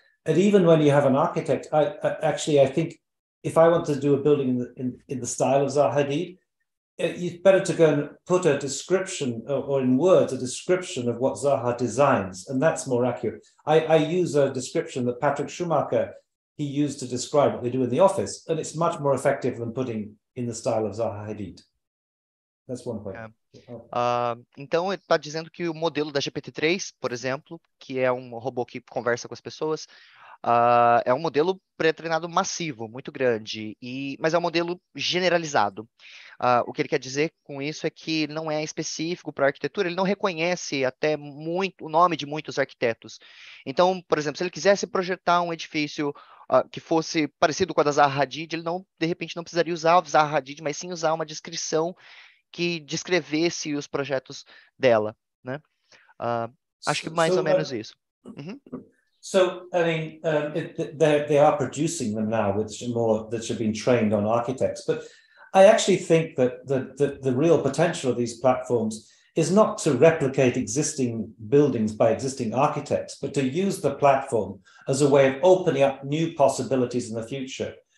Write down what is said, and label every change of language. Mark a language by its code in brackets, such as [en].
[en] And even when you have an architect, I think, if I want to do a building in the style of Zaha Hadid, it's better to go and put a description or in words, a description of what Zaha designs. And that's more accurate. I use a description that Patrick Schumacher, he used to describe what they do in the office. And it's much more effective than putting in the style of Zaha Hadid. That's one point. [pt] Então, ele está dizendo que o modelo da GPT-3, por exemplo, que é um robô que conversa com as pessoas, é um modelo pré-treinado massivo, muito grande, mas é um modelo generalizado. O que ele quer dizer com isso é que não é específico para arquitetura, ele não reconhece até muito o nome de muitos arquitetos. Então, por exemplo, se ele quisesse projetar um edifício que fosse parecido com a da Zaha Hadid, ele não, de repente não precisaria usar a Zaha Hadid, mas sim usar uma descrição que descrevesse os projetos dela, né? Acho que mais ou menos isso. Uhum. [en] So, I mean, they are producing them now, which are more that have been trained on architects. But I actually think that the real potential of these platforms is not to replicate existing buildings by existing architects, but to use the platform as a way of opening up new possibilities in the future.